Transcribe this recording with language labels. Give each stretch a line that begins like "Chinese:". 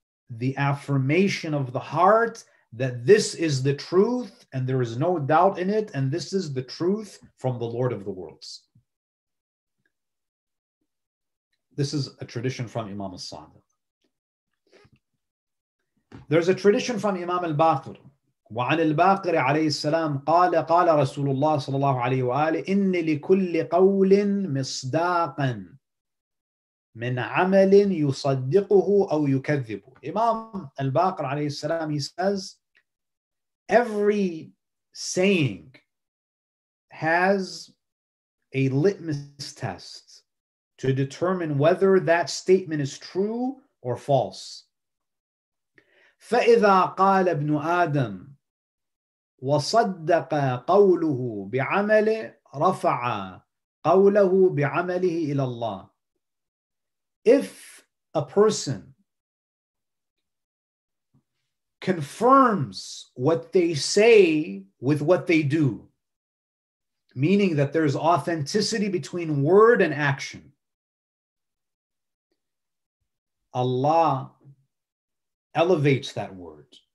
English: the affirmation of the heart that this is the truth and there is no doubt in it, and this is the truth from the Lord of the worlds. This is a tradition from Imam al-Sadiq. There's a tradition from Imam al-Baqir.
Arabic: وعن الباقر عليه السلام قال قال رسول الله صلى الله عليه وآله إن لكل قول مصداقا من عمل يصدقه أو يكذبه.
English: Imam al-Baqir عليه السلام, he says, every saying has a litmus test to determine whether that statement is true or false.
Arabic: فإذا قال ابن آدم وصدق قوله بعمله رفع قوله بعمله إلى الله.
English: If a person confirms what they say with what they do, meaning that there's authenticity between word and action, Allah elevates that word.